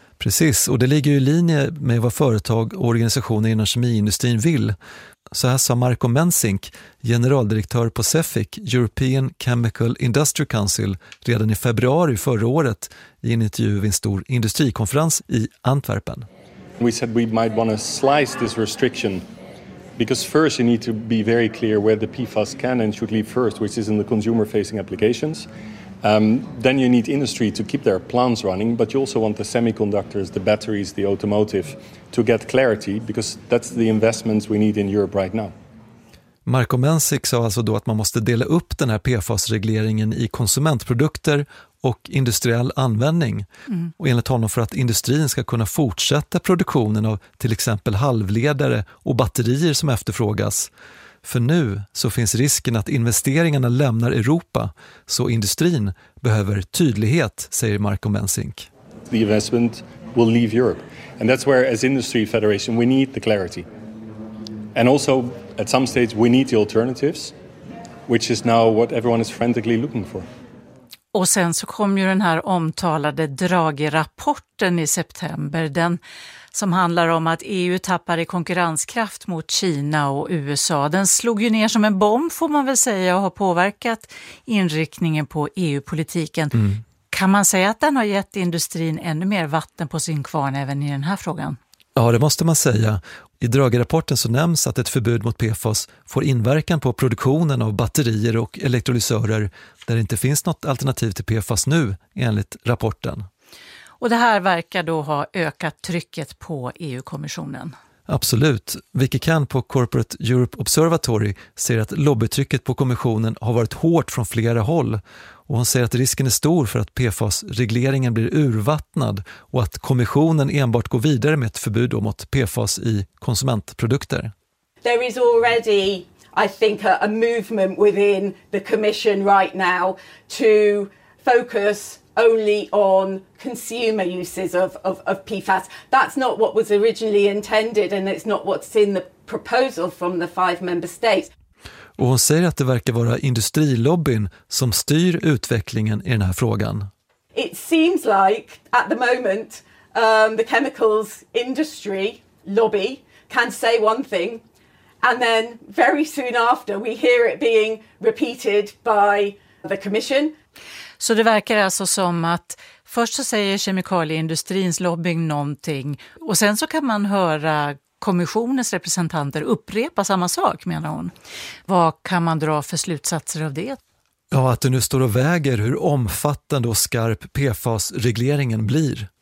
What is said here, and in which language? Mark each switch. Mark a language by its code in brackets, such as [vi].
[sv] Precis, och det ligger ju i linje med vad företag och organisationer inom kemiindustrin vill. Så här sa Marco Mensink, generaldirektör på CEFIC, European Chemical Industry Council, redan i februari förra året i en intervju vid en stor industrikonferens i Antwerpen. [en] We said we might want to slice this restriction because first you need to be very clear where the PFAS can and should leave first, which is in the consumer facing applications. Then you need industry to keep their plants running, but you also want the semiconductors, the batteries, the automotive to get clarity because that's the investments we need in Europe right now. [sv] Marco Mensik sa alltså då att man måste dela upp den här PFAS-regleringen i konsumentprodukter och industriell användning. Mm. Och enligt honom för att industrin ska kunna fortsätta produktionen av till exempel halvledare och batterier som efterfrågas. För nu så finns risken att investeringarna lämnar Europa, så industrin behöver tydlighet, säger Marco Mensink. [en] The investment will leave Europe. And that's where as industry federation we need the clarity. And also at some stage we need the alternatives, which is now what everyone is frantically looking for. [sv] Och sen så kom ju den här omtalade Draghi-rapporten i september, den som handlar om att EU tappar i konkurrenskraft mot Kina och USA. Den slog ju ner som en bomb får man väl säga och har påverkat inriktningen på EU-politiken. Mm. Kan man säga att den har gett industrin ännu mer vatten på sin kvarn även i den här frågan? Ja, det måste man säga. I Draghi-rapporten så nämns att ett förbud mot PFAS får inverkan på produktionen av batterier och elektrolysörer där det inte finns något alternativ till PFAS nu, enligt rapporten. Och det här verkar då ha ökat trycket på EU-kommissionen. Absolut. Vicky Kahn på Corporate Europe Observatory ser att lobbytrycket på kommissionen har varit hårt från flera håll. Och hon säger att risken är stor för att PFAS-regleringen blir urvattnad och att kommissionen enbart går vidare med ett förbud mot PFAS i konsumentprodukter. [en] There is already, I think, a movement within the commission right now to focus only on consumer uses of PFAS. That's not what was originally intended and it's not what's in the proposal from the 5 member states. [sv] Och hon säger att det verkar vara industrilobbyn som styr utvecklingen i den här frågan. [en] It seems like at the moment the chemicals industry lobby can say one thing and then very soon after we hear it being repeated by the commission. [sv] Så det verkar alltså som att först så säger kemikalieindustrins lobbying någonting och sen så kan man höra kommissionens representanter upprepa samma sak, menar hon. Vad kan man dra för slutsatser av det? Ja, att det nu står och väger hur omfattande och skarp PFAS-regleringen blir.